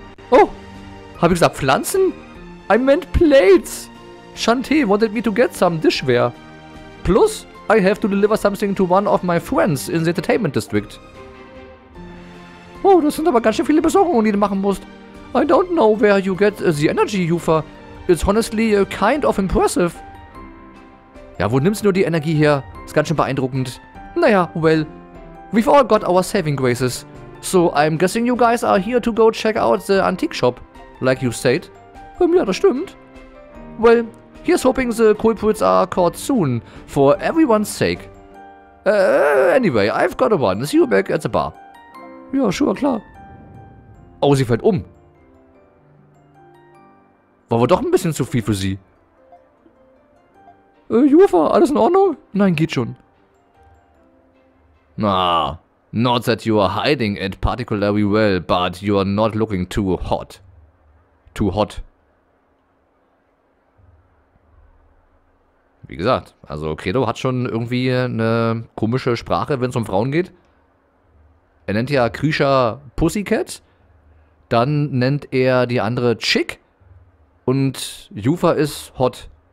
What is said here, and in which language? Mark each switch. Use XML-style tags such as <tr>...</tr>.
<de>Oh! Hab ich gesagt, Pflanzen?</de> <en>I meant plates! Shantae wanted me to get some dishware. Plus, I have to deliver something to one of my friends in the entertainment district.</en> <de>Oh, das sind aber ganz schön viele Besorgungen, die du machen musst.</de> <en>I don't know where you get the energy, Yufa. It's honestly kind of impressive.</en> <de>Ja, wo nimmst du nur die Energie her? Ist ganz schön beeindruckend.</de> <en>Naja, well, we've all got our saving graces. So I'm guessing you guys are here to go check out the antique shop, like you said.</en> <de>Ja, das stimmt.</de> <en>Well, here's hoping the culprits are caught soon, for everyone's sake. Anyway, I've got a run. See you back at the bar.</en> <de>Ja, sure, klar. Oh, sie fällt um. War wohl doch ein bisschen zu viel für sie. Yufa, alles in Ordnung? Nein, geht schon.</de> <en>Ah, not that you are hiding it particularly well, but you are not looking too hot. Too hot.</en> <de>Wie gesagt, also Credo hat schon irgendwie eine komische Sprache, wenn es um Frauen geht. Er nennt ja Krisha Pussycat, dann nennt er die andere Chick und Yufa ist hot.</de>